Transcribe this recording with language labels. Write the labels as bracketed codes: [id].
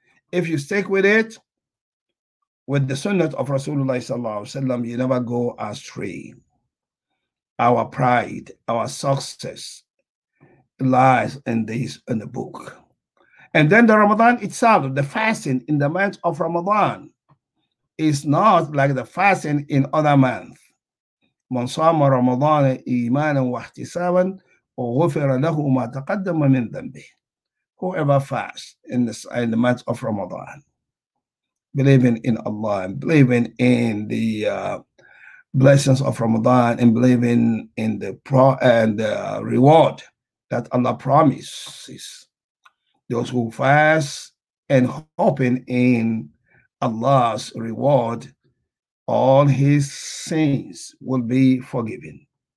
[en] If you stick with it, with the sunnah of Rasulullah sallallahu alaihi wasallam, you never go astray. Our pride, our success lies in this, in the book. And then the Ramadan itself, the fasting in the month of Ramadan, is not like the fasting in other months. [ar] من صام رمضان إيمانا واحتسابا وغفر له ما تقدم من ذنبه. [en] Whoever fasts in the month of Ramadan, believing in Allah and believing in the blessings of Ramadan and believing in the reward that Allah promises those who fast and hoping in Allah's reward, all his sins will be forgiven.